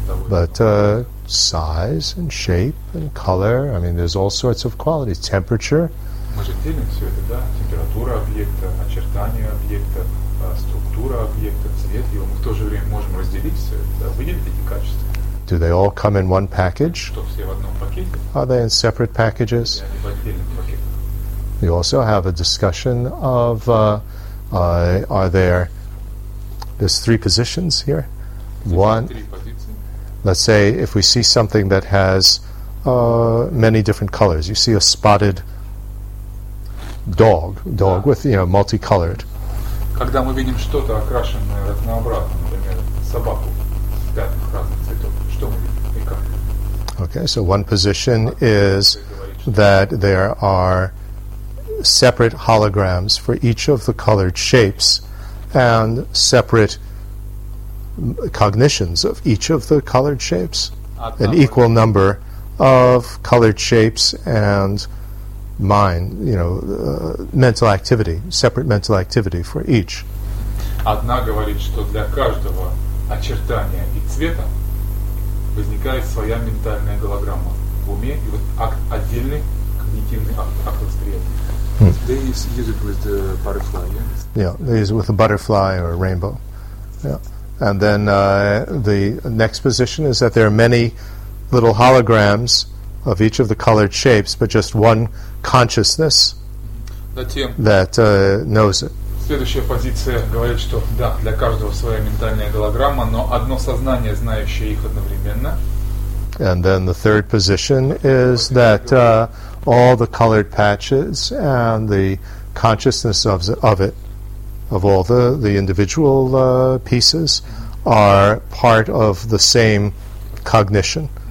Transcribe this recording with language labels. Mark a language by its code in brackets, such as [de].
[en] But size and shape and color, I mean, there's all sorts of qualities. Temperature. [ru] Мы же делим все это, да? Температура объекта, очертания объекта, структура объекта, цвет его. Мы в то же время можем разделить все это, да? Выделить эти качества. [en] Do they all come in one package? [ru] Что, все в одном пакете? [en] Are they in separate packages? [ru] Они в отдельном пакете. [en] We also have a discussion of, are there, there's three positions here. One. Let's say if we see something that has many different colors, you see a spotted dog yeah, with, you know, multicolored. [ru] Когда мы видим что-то окрашенное разнообразно, например, собаку в пятнах разных цветов, что мы видим и как? [en] Okay, so one position is that there are separate holograms for each of the colored shapes and separate cognitions of each of the colored shapes, an equal number of colored shapes and mind, you know, mental activity, separate mental activity for each. [ru] Одна говорит, что для каждого очертания и цвета возникает своя ментальная голограмма в уме и вот отдельный когнитивный акт восприятия. [en] They use it with the butterfly, yeah? Yeah, they use it with a butterfly or a rainbow. Yeah. And then the next position is that there are many little holograms of each of the colored shapes, but just one consciousness that knows it. [ru] Следующая позиция говорит, что да, для каждого своя ментальная голограмма, но одно сознание, знающее их одновременно. [en] And then the third position is that all the colored patches and the consciousness of it, of all the individual pieces, are part of the same cognition.